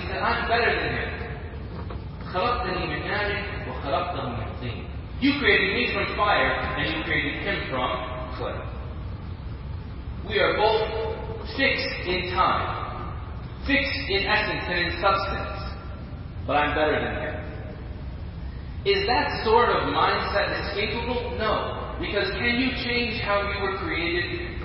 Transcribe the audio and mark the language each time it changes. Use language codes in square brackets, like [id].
[en] He said, I'm better than him. [ar] خلقتني من نار وخلقته من طين. [en] You created me from fire and you created him from clay. We are both fixed in time, fixed in essence and in substance, but I'm better than him. Is that sort of mindset escapable? No. Because can you change how you were created?